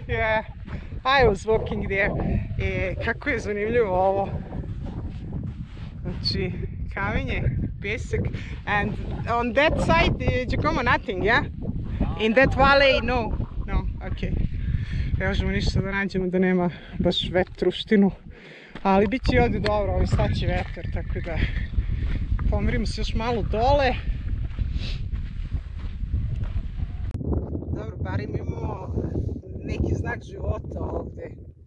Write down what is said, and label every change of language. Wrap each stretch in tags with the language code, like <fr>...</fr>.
<en>Yeah. I was walking there.</en> <sr>E, kako je zanimljivo ovo. Znači, kamenje, pesak.</sr> <en>And on that side, Giacomo, nothing, yeah? In that valley, no. No, okay.</en> <sr>Evo ćemo ništa da nađemo da nema baš vetruštinu. Ali bit će i ovdje dobro, ovaj sad će vetar, tako da pomirimo se još malo dole. Dobro, bar imamo neki znak života ovdje.</sr>